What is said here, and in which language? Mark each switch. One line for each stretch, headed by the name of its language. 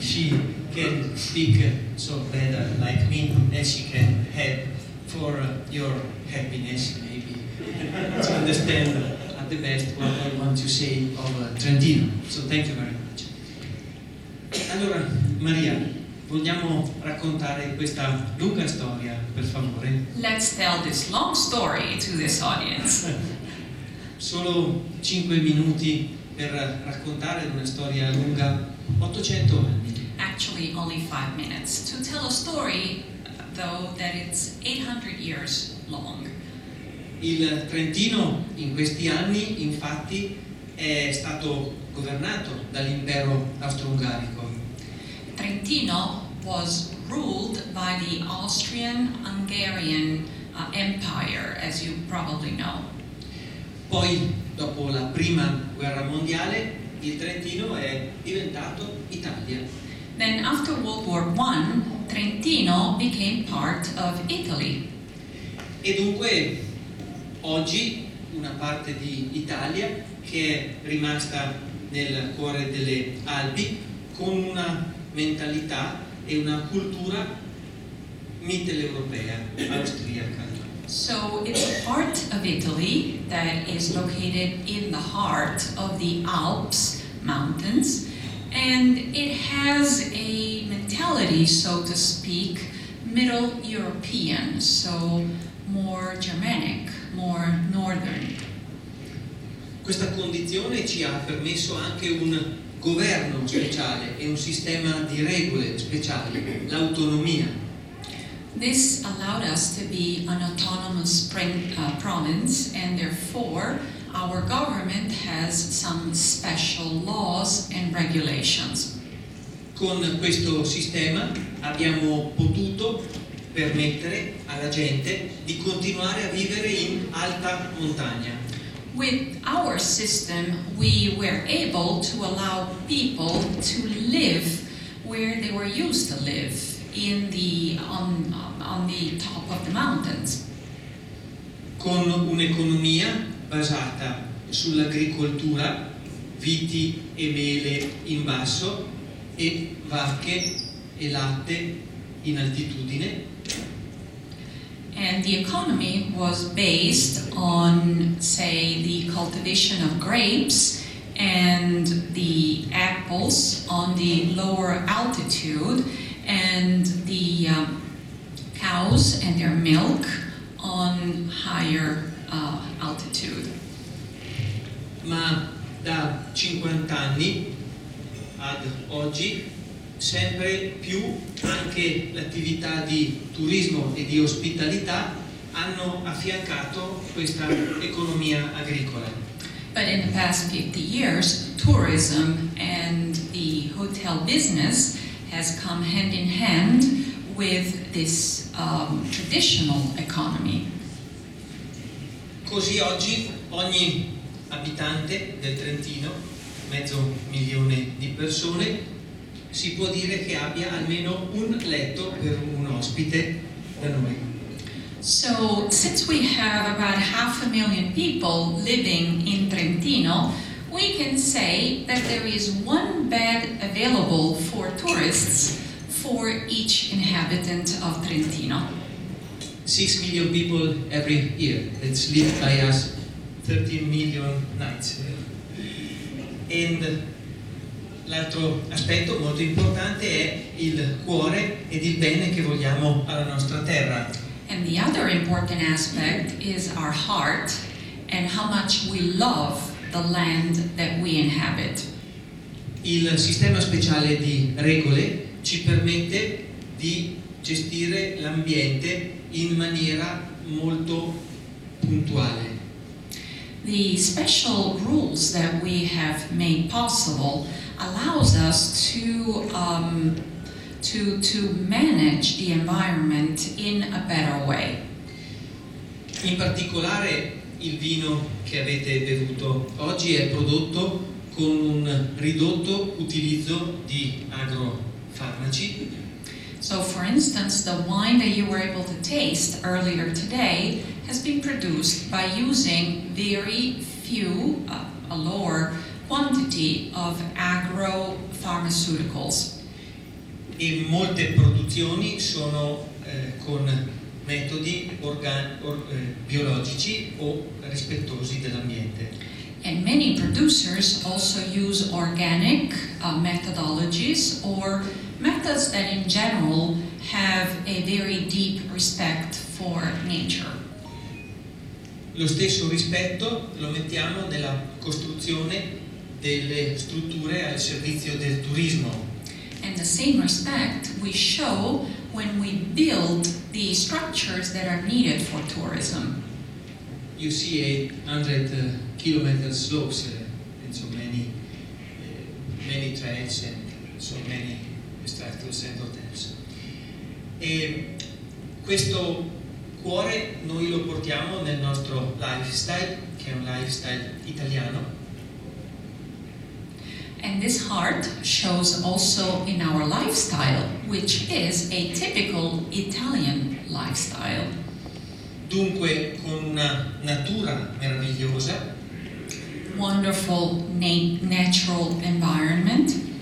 English: She can speak so better like me, and she can help for your happiness, maybe, to understand at the best what I want to say of Trentino. So thank you very much.
Italian: Allora, Maria, vogliamo raccontare questa lunga storia, per favore?
English: Let's tell this long story to this audience.
Italian: Solo 5 minuti per raccontare una storia lunga, 800 anni.
English: Actually, only 5 minutes to tell a story, though, that it's 800 years long.
Italian: Il Trentino, in questi anni, infatti, è stato governato dall'impero austro-ungarico.
English: Trentino was ruled by the Austrian-Hungarian Empire, as you probably know.
Italian: Poi, dopo la prima guerra mondiale, il Trentino è diventato Italia.
English: Then after World War I, Trentino became part of Italy.
Italian: E dunque, oggi, una parte di Italia che è rimasta nel cuore delle Alpi con una mentalità e una cultura mitteleuropea, austriaca.
English: So it's a part of Italy that is located in the heart of the Alps mountains, and it has a mentality, so to speak, Middle European, so more Germanic, more northern.
Italian: Questa condizione ci ha permesso anche un governo speciale e un sistema di regole speciali, l'autonomia.
English: This allowed us to be an autonomous province, and therefore our government has some special laws and regulations.
Italian: Con questo sistema abbiamo potuto permettere alla gente di continuare a vivere in alta montagna.
English: With our system, we were able to allow people to live where they were used to live, in the on the top of the mountains.
Italian: Con un'economia basata sull'agricoltura, viti e mele in basso e vacche e latte in altitudine.
English: And the economy was based on, say, the cultivation of grapes and the apples on the lower altitude, and the cows and their milk on higher altitude.
Italian: Ma da 50 anni ad oggi, sempre più anche l'attività di turismo e di ospitalità hanno affiancato questa economia agricola.
English: But in the past 50 years, tourism and the hotel business has come hand in hand with this traditional economy.
Italian: Così oggi ogni abitante del Trentino, mezzo milione di persone, si può dire che abbia almeno un letto per un ospite da noi.
English: So, since we have about 500,000 people living in Trentino, we can say that there is one bed available for tourists for each inhabitant of Trentino. 6 million people every year. It's lived by us 13 million nights.
Italian: And l'altro aspetto molto importante è il cuore ed il bene che vogliamo alla nostra terra.
English: And the other important aspect is our heart and how much we love the land that we inhabit.
Italian: Il sistema speciale di regole ci permette di gestire l'ambiente in maniera molto puntuale.
English: The special rules that we have made possible allows us to manage the environment in a better way.
Italian: In particolare, il vino che avete bevuto oggi è prodotto con un ridotto utilizzo di agrofarmaci.
English: So for instance, the wine that you were able to taste earlier today has been produced by using very few, a lower quantity of agro-pharmaceuticals.
Italian: E molte produzioni sono con metodi biologici o rispettosi dell'ambiente.
English: And many producers also use organic methodologies or methods that in general have a very deep respect for nature.
Italian: Lo stesso rispetto lo mettiamo nella costruzione delle strutture al servizio del turismo.
English: And the same respect we show when we build the structures that are needed for tourism. You see 800 kilometer slopes and so many many trails and so many structures and hotels.
Italian: E questo cuore noi lo portiamo nel nostro lifestyle, che è un lifestyle italiano.
English: And this heart shows also in our lifestyle, which is a typical Italian lifestyle.
Italian: Dunque, con una natura meravigliosa.
English: Wonderful natural environment.